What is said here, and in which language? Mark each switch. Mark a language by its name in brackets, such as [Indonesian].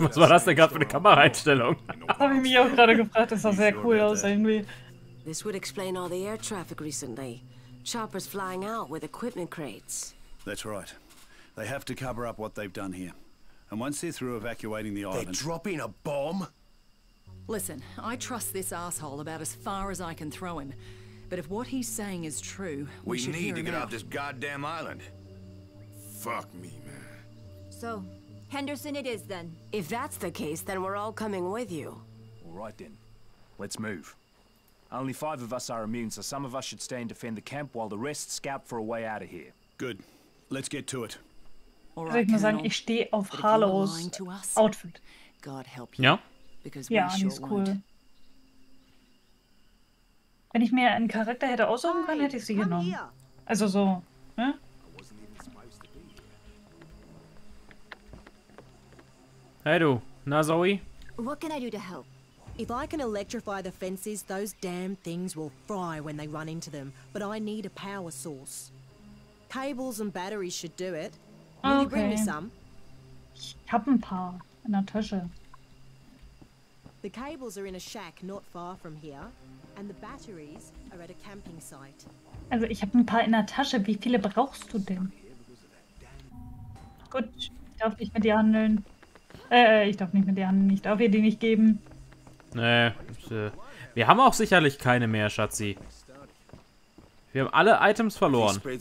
[German] Was war das denn gerade für eine Kameraeinstellung? Habe ich mich auch gerade gefragt, das sah sehr cool aus irgendwie. [English] This would explain all the air traffic recently. Choppers flying out with equipment crates. That's right. They have to cover up what they've done here. And once they're through evacuating the island... They're dropping a bomb? Listen, I trust this asshole about as far as I can throw him. But if what he's saying is true, we should need to get out. Off this goddamn island. Fuck me, man. So, Henderson it is then. If that's the case, then we're all coming with you. All right then. Let's move. Only five of us are immune, so some of us should stay and defend the camp while the rest scout for a way out of here. Good. Let's get to it. [German] Also ich muss sagen, ich stehe auf Harlows Outfit. Ja? Ja, die ist cool. Wenn ich mir einen Charakter hätte aussuchen können, hätte ich sie genommen. Also so, ne? Hey du, na Zoe? [English] What can I do to help? If I can electrify the fences, those damn things will fry when they run into them. But I need a power source. Cables and batteries should do it. Will okay. you bring me some? [German] Ich hab ein paar in der Tasche. [English] The cables are in a shack not far from here, and the batteries are at a camping site. [German] Also ich hab ein paar in der Tasche. Wie viele brauchst du denn? Gut, ich darf nicht mit dir handeln. Ich darf nicht mit dir handeln. Ich darf dir die nicht geben. Nee, wir haben auch sicherlich keine mehr, Schatzi. Wir haben alle Items verloren.